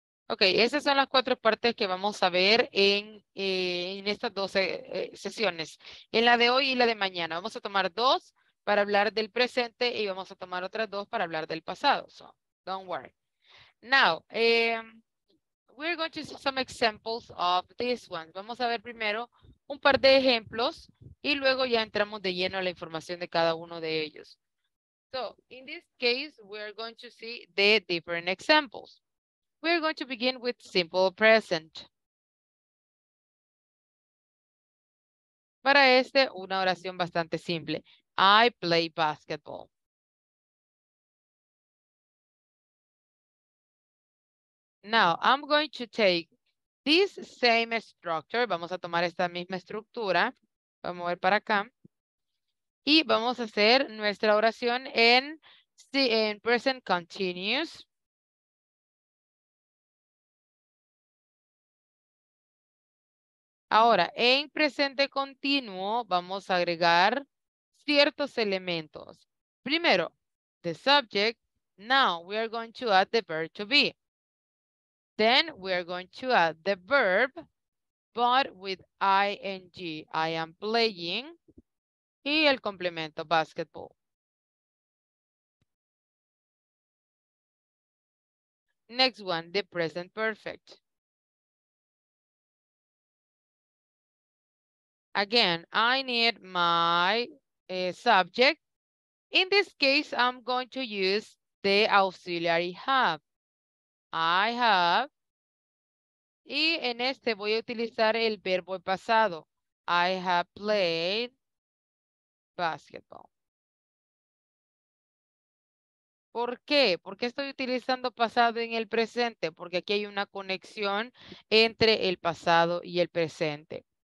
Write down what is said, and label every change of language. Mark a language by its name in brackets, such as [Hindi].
[Spanish] Okay, esas son las cuatro partes que vamos a ver en estas 12 sesiones. En la de hoy y la de mañana. Vamos a tomar dos para hablar del presente y vamos a tomar otras dos para hablar del pasado. [English] So, don't worry. Now, we're going to see some examples of this one. [Spanish] Vamos a ver primero un par de ejemplos y luego ya entramos de lleno a la información de cada uno de ellos. [English] So, in this case, we are going to see the different examples. We are going to begin with simple present. [Spanish] Para este, una oración bastante simple. [English] I play basketball. Now, I'm going to take this same structure. [Spanish] Vamos a tomar esta misma estructura. Vamos a mover para acá. Y vamos a hacer nuestra oración en present continuous. Ahora, en presente continuo, vamos a agregar ciertos elementos. Primero, [English] the subject. Now, we are going to add the verb to be. Then, we are going to add the verb, but with ing. I am playing. [Spanish] Y el complemento, [English] basketball. Next one, the present perfect. Again, I need my subject. In this case, I'm going to use the auxiliary have. I have. [Spanish] Y en este voy a utilizar el verbo pasado. [English] I have played basketball. [Spanish] ¿Por qué? ¿Por qué estoy utilizando pasado en el presente? Porque aquí hay una conexión entre el pasado y el presente.